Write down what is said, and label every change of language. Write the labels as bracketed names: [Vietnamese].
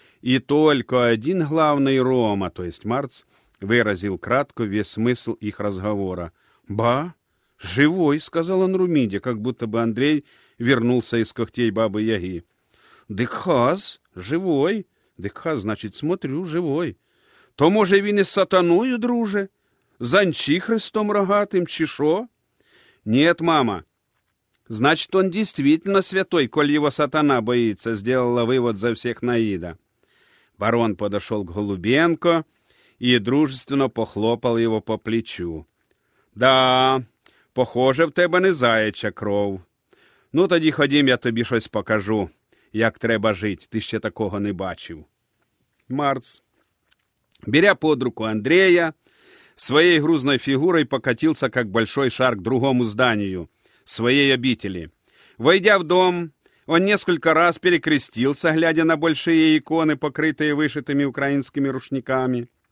[Russian] И только один главный Рома, то есть Марц, выразил кратко весь смысл их разговора. «Ба, живой!» — сказал он Румиде, как будто бы Андрей вернулся из когтей Бабы Яги. «Дыкхаз, живой!» «Дыкхаз, значит, смотрю, живой!» [Ukrainian] «То, може, він із сатаною, друже? З Анчихристом рогатим, чи шо?» [Russian] «Нет, мама!» «Значит, он действительно святой, коль его сатана боится», — сделала вывод за всех Наида. Барон подошел к Голубенко и дружественно похлопал его по плечу. «Да, похоже, [Ukrainian] в тебе не заяча кров. Ну, тоді ходім, я тобі щось покажу, як треба жить. Ти ще такого не бачив». [Russian] Марц, беря под руку Андрея, своей грузной фигурой покатился, как большой шар, к другому зданию своей обители. Войдя в дом, он несколько раз перекрестился, глядя на большие иконы, покрытые вышитыми украинскими рушниками.